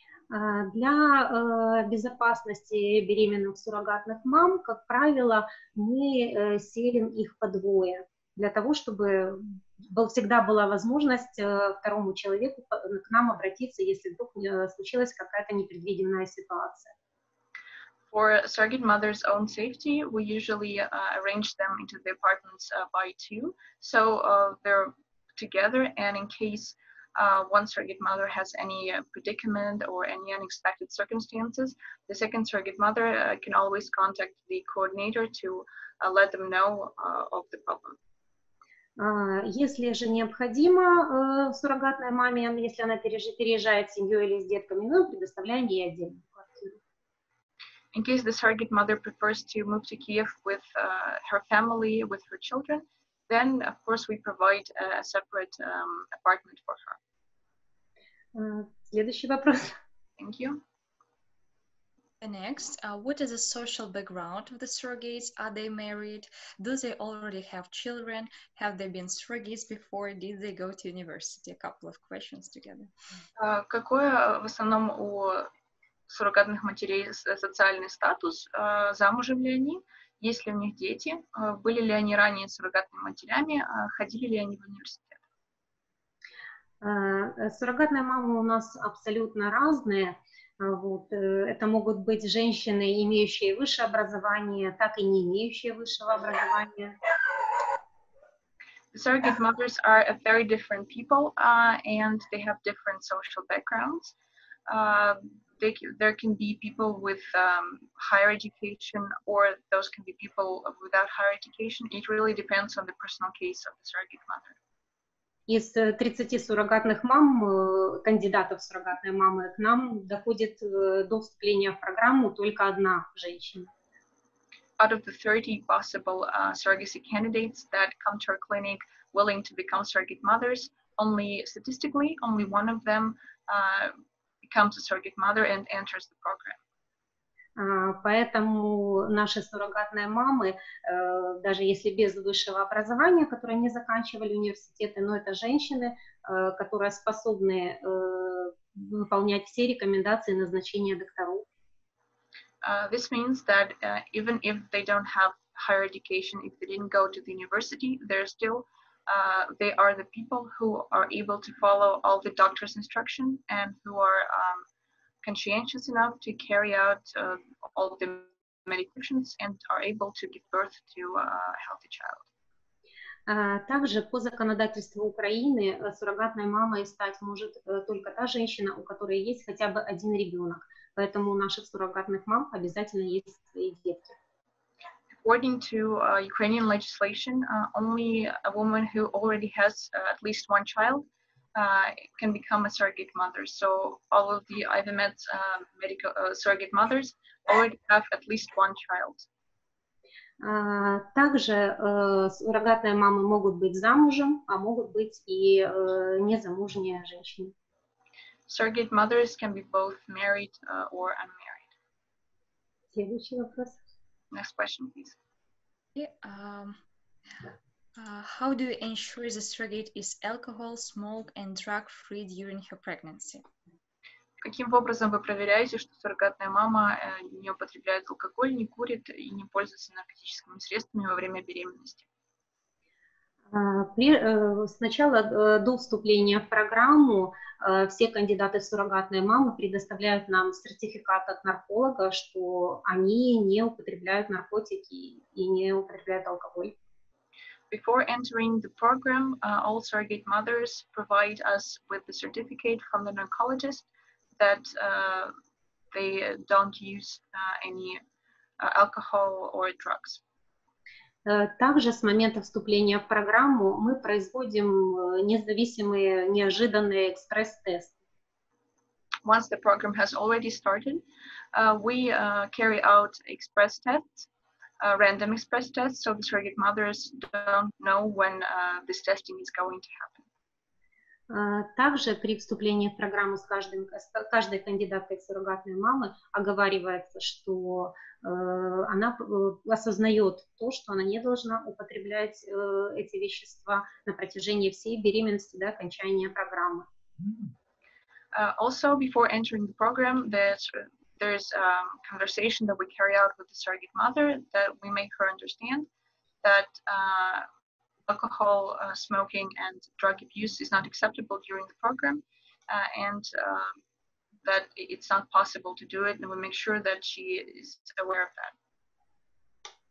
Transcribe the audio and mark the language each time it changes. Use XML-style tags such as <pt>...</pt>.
<ru>Для безопасности беременных суррогатных мам, как правило, мы селим их по двое. Для того, чтобы всегда была возможность второму человеку к нам обратиться, если вдруг случилась какая-то непредвиденная ситуация.</ru> <en>For surrogate mother's own safety, we usually arrange them into the apartments by two, so they're together, and in case one surrogate mother has any predicament or any unexpected circumstances, the second surrogate mother can always contact the coordinator to let them know of the problem.</en> <ru>Если же необходимо суррогатной маме, если она переезжает с семьей или с детками, мы предоставляем ей отдельную квартиру.</ru> <en>In case the surrogate mother prefers to move to Kiev with her family, with her children, then, of course, we provide a separate apartment for her.</en> <ru>Следующий вопрос.</ru> <en>Thank you. Next, what is the social background of the surrogates? Are they married? Do they already have children? Have they been surrogates before? Did they go to university? A couple of questions together.</en> <ru>Какое в основном у суррогатных матерей социальный статус? Замужем ли они? Есть ли у них дети? Были ли они ранее суррогатными матерями? Ходили ли они в университет? Суррогатные мамы у нас абсолютно разные. Вот. Это могут быть женщины, имеющие высшее образование, так и не имеющие высшего образования.</ru> <en>The surrogate mothers are a very different people, and they have different social backgrounds. There can be people with higher education, or those can be people without higher education. It really depends on the personal case of the surrogate mother.</en> <ru>Из 30 суррогатных мам, кандидатов в суррогатные мамы, к нам доходит до вступления в программу только одна женщина.</ru> <en>Out of the 30 possible surrogacy candidates that come to our clinic willing to become surrogate mothers, only statistically, only one of them becomes a surrogate mother and enters the program.</en> <ru>Поэтому наши суррогатные мамы, даже если без высшего образования, которые не заканчивали университеты, но это женщины, которые способны выполнять все рекомендации назначения докторов.</ru> <en>This means that even if they don't have higher education, if they didn't go to the university, they're still they are the people who are able to follow all the doctor's instruction and who are conscientious enough to carry out all the medications and are able to give birth to a healthy child.</en> <ru>Также по законодательству Украины суррогатной мамой стать может только та женщина, у которой есть хотя бы один ребенок. Поэтому у наших суррогатных мам обязательно есть свои детки.</ru> <en>According to Ukrainian legislation, only a woman who already has at least one child can become a surrogate mother. So all of the IVMED medical surrogate mothers already have at least one child.</en> <ru>Также суррогатные мамы могут быть замужем, а могут быть и незамужние женщины.</ru> <en>Surrogate mothers can be both married or unmarried.</en> <ru>Следующий вопрос.</ru> <en>Next question, please. How do you ensure the surrogate is alcohol, smoke and drug free during her pregnancy?</en> <ru>Каким образом вы проверяете, что суррогатная мама не употребляет алкоголь, не курит и не пользуется наркотическими средствами во время беременности? Сначала до вступления в программу все кандидаты в суррогатные мамы предоставляют нам сертификат от нарколога, что они не употребляют наркотики и не употребляют алкоголь.</ru> <en>Before entering the program, all surrogate mothers provide us with the certificate from the narcologist that they don't use any alcohol or drugs.</en> <ru>Также с момента вступления в программу мы производим независимые неожиданные экспресс-тесты.</ru> <en>Once the program has already started, we carry out express tests, random express tests, so the surrogate mothers don't know when this testing is going to happen.</en> <ru>Также при вступлении в программу с каждым, каждой кандидаткой в суррогатные мамы оговаривается, что она осознает то, что она не должна употреблять эти вещества на протяжении всей беременности до окончания программы.</ru> <en>Also, before entering the program, there's a conversation that we carry out with the surrogate mother that we make her understand that alcohol, smoking and drug abuse is not acceptable during the program and that it's not possible to do it, and we make sure that she is aware of that.</en>